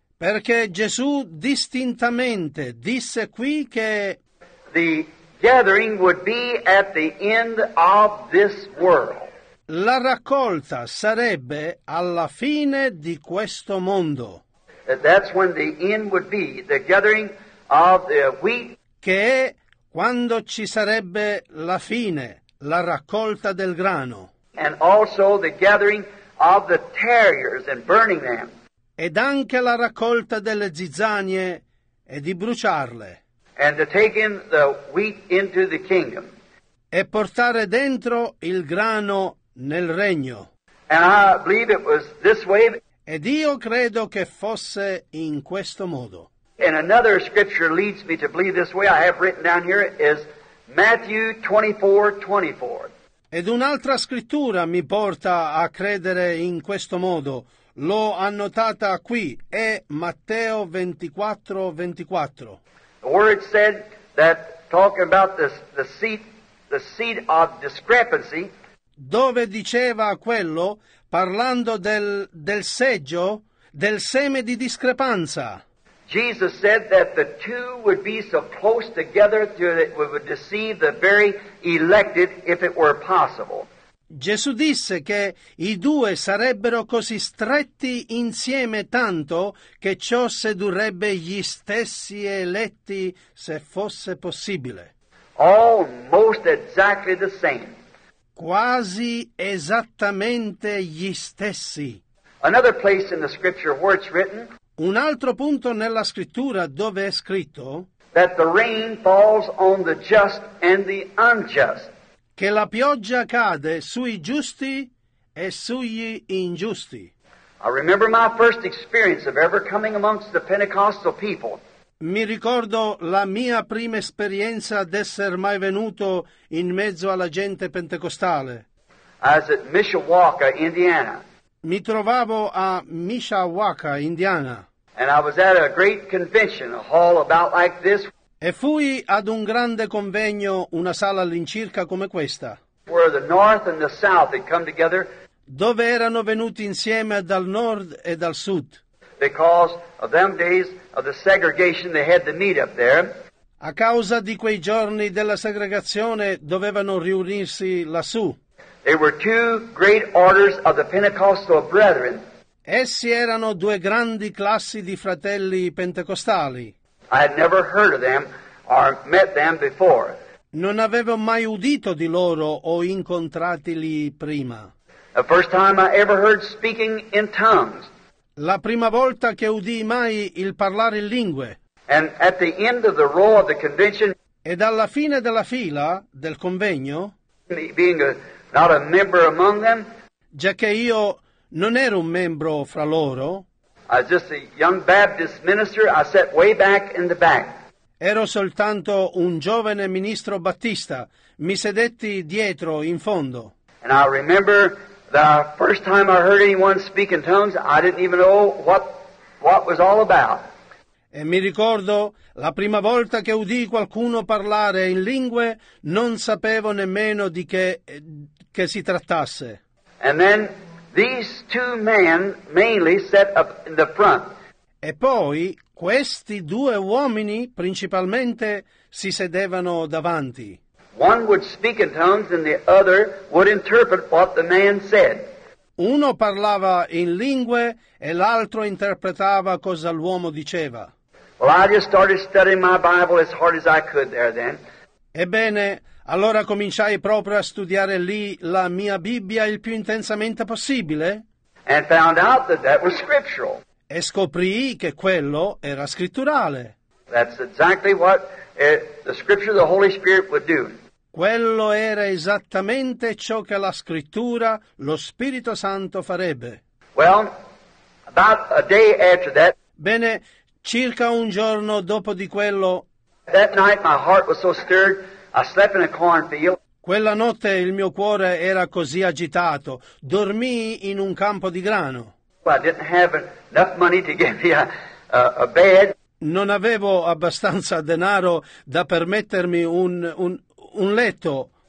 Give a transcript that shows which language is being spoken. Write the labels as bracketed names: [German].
[Italian] Perché Gesù distintamente disse qui che [English] the gathering would be at the end of this world. [Italian] La raccolta sarebbe alla fine di questo mondo. [English] That's when the end would be, the gathering of the wheat. [Italian] Che è quando ci sarebbe la fine, la raccolta del grano. [English] And also the gathering of the tares and burning them. [Italian] Ed anche la raccolta delle zizzanie e di bruciarle. [English] And to take in the wheat into the kingdom. [Italian] E portare dentro il grano nel regno. [English] And I believe it was this way. [Italian] Ed io credo che fosse in questo modo. [English] And another scripture leads me to believe this way. I have written down here is Matthew 24:24. [Italian] Ed un'altra scrittura mi porta a credere in questo modo. L'ho annotata qui, è Matteo 24:24. [English] The word said that talking about the seed of discrepancy. [Italian] Dove diceva quello parlando del seggio, del seme di discrepanza. [English] Jesus said that the two would be so close together that it would deceive the very elected if it were possible. [Italian] Gesù disse che i due sarebbero così stretti insieme tanto che ciò sedurrebbe gli stessi eletti se fosse possibile. [English] Almost exactly the same. [Italian] Quasi esattamente gli stessi. [English] Another place in the scripture where it's written. [Italian] Un altro punto nella scrittura dove è scritto [English] that the rain falls on the just and the unjust. [Italian] Che la pioggia cade sui giusti e sugli ingiusti. [English] I remember my first experience of ever coming amongst the Pentecostal people. [Italian] Mi ricordo la mia prima esperienza d'essere mai venuto in mezzo alla gente pentecostale. [English] As at Mishawaka, Indiana. [Italian] Mi trovavo a Mishawaka, Indiana. [English] And I was at a great convention, a hall about like this. [Italian] E fui ad un grande convegno, una sala all'incirca come questa. [English] Where the north and the south had come together. [Italian] Dove erano venuti insieme dal nord e dal sud. [English] Because of them days of the segregation, they had the meet up there. [Italian] A causa di quei giorni della segregazione, dovevano riunirsi lassù. [English] They were two great orders of the Pentecostal brethren. [Italian] Essi erano due grandi classi di fratelli pentecostali. [English] I had never heard of them or met them before. [Italian] Non avevo mai udito di loro o incontratili prima. [English] The first time I ever heard speaking in tongues. [Italian] La prima volta che udii mai il parlare in lingue. [English] And at the end of the row of the convention. [Italian] Ed alla fine della fila del convegno. [English] Being not a member among them. [Italian] Già che io non ero un membro fra loro. [English] I was just a young Baptist minister. I sat way back in the back. [Italian] Ero soltanto un giovane ministro battista. Mi sedetti dietro in fondo. [English] And I remember the first time I heard anyone speak in tongues, I didn't even know what was all about. [Italian] E mi ricordo la prima volta che udii qualcuno parlare in lingue, non sapevo nemmeno di che si trattasse. [English] And then these two men mainly sat up in the front. [Italian] E poi questi due uomini principalmente si sedevano davanti. [English] One would speak in tongues and the other would interpret what the man said. [Italian] Uno parlava in lingue e l'altro interpretava cosa l'uomo diceva. [English] Well, I just started studying my Bible as hard as I could there then. [Italian] Ebbene, allora cominciai proprio a studiare lì la mia Bibbia il più intensamente possibile. [English] And found out that that was scriptural. [Italian] E scoprii che quello era scritturale. [English] That's exactly what the scripture of the Holy Spirit would do. [Italian] Quello era esattamente ciò che la scrittura, lo Spirito Santo farebbe. [English] Well, about a day after that. [Italian] Bene, circa un giorno dopo di quello. [English] That night my heart was so stirred, I slept in a cornfield. [Italian] Quella notte il mio cuore era così agitato, dormii in un campo di grano. [English] I didn't have enough money to give me a bed. [Italian] Non avevo abbastanza denaro da permettermi un letto.